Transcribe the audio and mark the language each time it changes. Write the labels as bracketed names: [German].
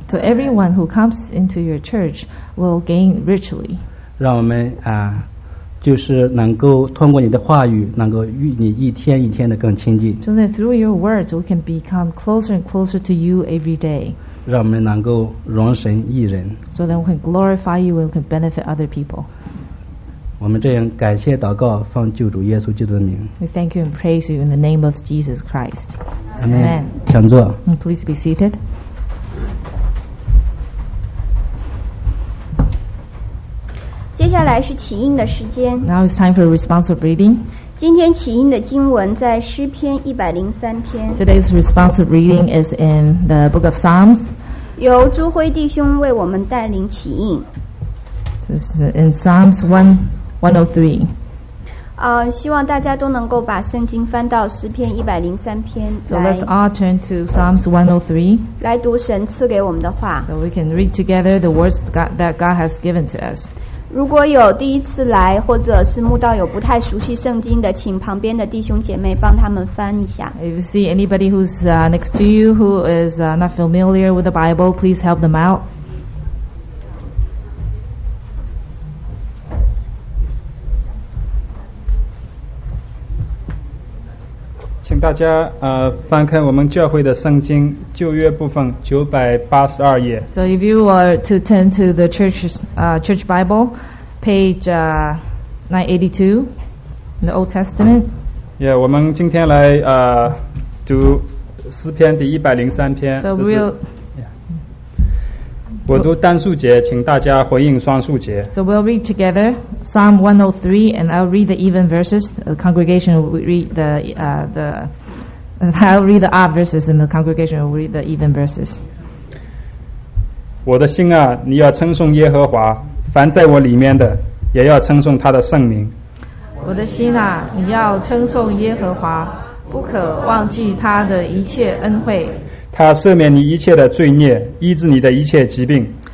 [English] So everyone who comes into your church will gain richly. [Chinese] 让我们就是能够通过你的话语能够与你一天一天的更亲近。 [English] So that through your words we can become closer and closer to you every day. [Chinese] 让我们能够荣神益人。 [English] So that we can glorify you and we can benefit other people. [Chinese] 我们这样感谢祷告奉救主耶稣基督的名。 [English] We thank you and praise you in the name of Jesus Christ. Amen. Amen. [Chinese] 请坐。 [English] Please be seated. [Chinese] 接下来是起因的时间。 [English] Now it's time for responsive reading. [Chinese] 今天起因的经文在诗篇103篇。 [English] Today's responsive reading is in the book of Psalms. [Chinese] 由朱辉弟兄为我们带领起因。 [English] This is in Psalms 103. [Chinese] 希望大家都能够把圣经翻到诗篇103篇。 [English] So let's all turn to Psalms 103. [Chinese] 来读神赐给我们的话。 [English] So we can read together the words that God has given to us. [Chinese] 如果有第一次来或者是慕道友不太熟悉圣经的，请旁边的弟兄姐妹帮他们翻一下。 [English] If you see anybody who's next to you who is not familiar with the Bible, please help them out. [Chinese] 请大家翻开我们教会的圣经旧约部分982页。 [English] So if you were to turn to the church Bible, page 982, in the Old Testament. [Chinese] Yeah, 我们今天来读诗篇第103篇。 [English] So we'll [Chinese] 我读单数节，请大家回应双数节。 [English] So we'll read together Psalm 103, and I'll read the even verses. The congregation will read I'll read the odd verses, and the congregation will read the even verses. [Chinese] 我的心啊，你要称颂耶和华，凡在我里面的，也要称颂他的圣名。我的心啊，你要称颂耶和华，不可忘记他的一切恩惠。他赦免你一切的罪孽，医治你的一切疾病。